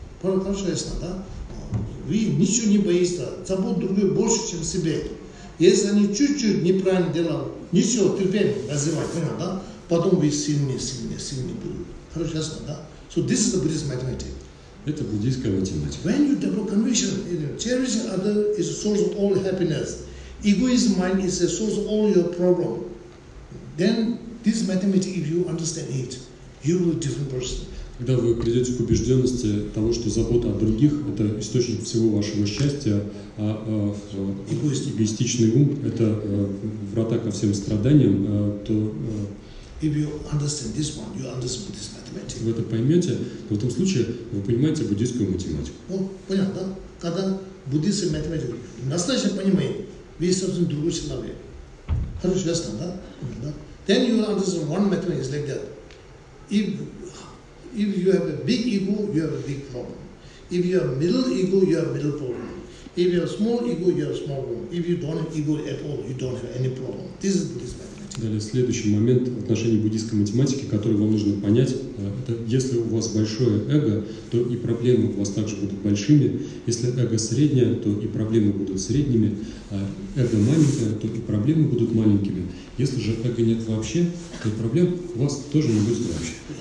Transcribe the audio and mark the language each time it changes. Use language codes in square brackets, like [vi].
[ru] Хорошо, ясно, да? Вы ничего не боитесь, забыл другую больше, чем себе. Если они чуть-чуть неправильно делают, ничего, терпение развивать, понял, да? Потом вы сильнее будут. Хорошо, ясно, да? [en] So this is the Buddhist mathematics. [ru] Это буддийская математика. [en] When you develop conviction, you know, cherish other is a source of all happiness. Egoism mind is a source of all your problem. Then this mathematics, if you understand it, you will be a different person. [ru] Когда вы придете к убежденности того, что забота о других – это источник всего вашего счастья, а эгоистичный ум – это врата ко всем страданиям, то [en] if you understand this one, you understand Buddhist mathematics. [ru] Вы это поймете, но в этом случае вы понимаете буддийскую математику. О, понятно, да? Когда буддийская математика, настоящий понимает, вы совсем другой человек. Хорошо, ясно, да? Да? [en] Then you understand one mathematics like that. If you have a big ego, you have a big problem. If you have middle ego, you have middle problem. If you have small ego, you have small problem. If you don't have ego at all, you don't have any problem. This is Buddhist mathematics. [ru] Далее следующий момент в отношении буддийской математики, который вам нужно понять, это если у вас большое эго, то и проблемы у вас также будут большими. Если эго среднее, то и проблемы будут средними. А эго маленькое, то и проблемы будут маленькими. Если же эго нет вообще, то и проблем у вас тоже не будет вообще.